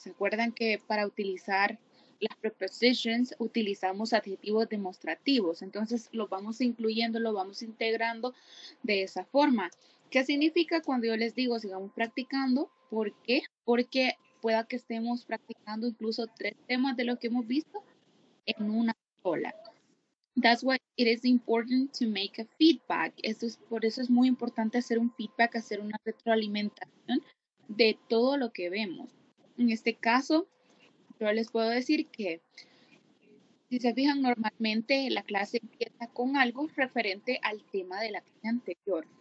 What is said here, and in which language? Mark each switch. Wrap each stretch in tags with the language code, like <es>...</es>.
<es>¿Se acuerdan que para utilizar las prepositions utilizamos adjetivos demostrativos? Entonces, lo vamos incluyendo, lo vamos integrando de esa forma. ¿Qué significa cuando yo les digo sigamos practicando? ¿Por qué? Porque pueda que estemos practicando incluso tres temas de lo que hemos visto en una sola.</es> <en>That's why it is important to make a feedback.</en> <es>Esto es, por eso es muy importante hacer un feedback, hacer una retroalimentación de todo lo que vemos. En este caso, yo les puedo decir que, si se fijan, normalmente la clase empieza con algo referente al tema de la clase anterior.</es>